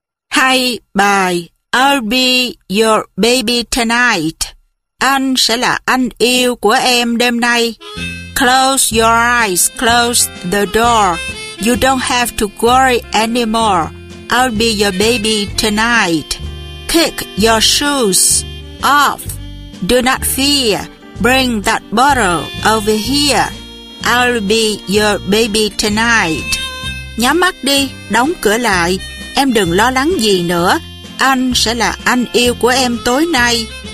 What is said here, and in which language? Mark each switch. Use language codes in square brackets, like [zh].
[vi] Hay bài I'll Be Your Baby Tonight. Anh sẽ là anh yêu của em đêm nay. [en] Close your eyes, close the door. You don't have to worry anymore. I'll be your baby tonight. Kick your shoes off. Do not fear. Bring that bottle over here. I'll be your baby tonight. [vi] Nhắm mắt đi, đóng cửa lại. Em đừng lo lắng gì nữa. Anh sẽ là anh yêu của em tối nay.